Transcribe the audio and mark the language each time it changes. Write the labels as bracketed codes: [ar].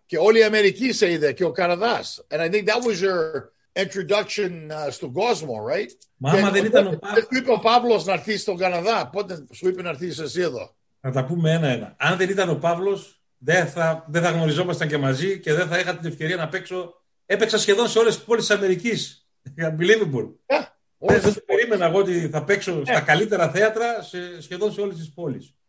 [el] Και όλη η Αμερική σε είδε, και ο Καναδάς. [en] And I think that was your introduction [el] στον κόσμο, [en] right? [el] Μα άμα δεν ήταν ο Παύλος. Σου είπε ο Παύλος να έρθει στον Καναδά. Πότε σου είπε να έρθει εσύ εδώ? Να τα πούμε ένα-ένα. Αν δεν ήταν ο Παύλος, δεν θα γνωριζόμασταν και μαζί και δεν θα είχα την ευκαιρία να παίξω. Έπαιξα σχεδόν σε όλες τις πόλεις της Αμερικής. Unbelievable. Δεν περίμενα εγώ ότι θα παίξω στα καλύτερα θέατρα σχεδόν σε όλες τις πόλεις.